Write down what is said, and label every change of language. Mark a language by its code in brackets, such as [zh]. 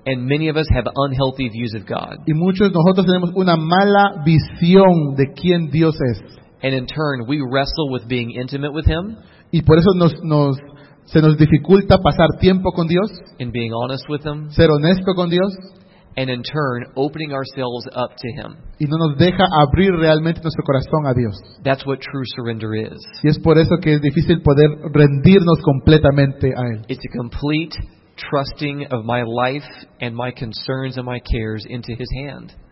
[en] And many of us have unhealthy views of God. [es] Y muchos de nosotros tenemos una mala visión de quién Dios es. [en] And in turn, we wrestle with being intimate with him. [es] Y por eso se nos dificulta pasar tiempo con Dios. [en] In being honest with him. [es] Ser honesto con Dios. [en] And in turn, opening ourselves up to him. [es] Y no nos deja abrir realmente nuestro corazón a Dios. [en] That's what true surrender is. [es] Y es por eso que es difícil poder rendirnos completamente a él. [en] It's a complete trusting of my life and my concerns and my cares into his hand.